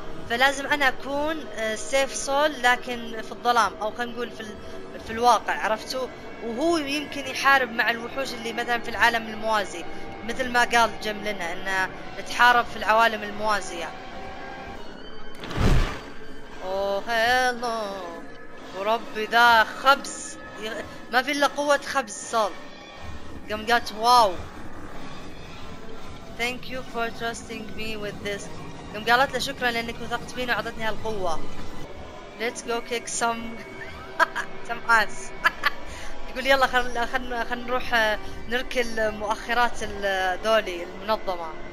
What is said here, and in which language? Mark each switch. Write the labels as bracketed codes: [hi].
[ar] فلازم انا اكون سيف سول لكن في الظلام، او خلينا نقول في الواقع عرفتوا، وهو يمكن يحارب مع الوحوش اللي مثلا في العالم الموازي، مثل ما قال جم لنا انه تحارب في العوالم الموازية. اوه هيلو وربي ذا خبز ما في الا قوة خبز صار. قام قالت واو [en] thank you for trusting me with this. [ar] قام قالت له شكرا لانك وثقت فيني وعطتني هالقوة. [en] let's go kick some ass. [ar] يقول يلا خل نروح نركل مؤخرات ذولي المنظمة.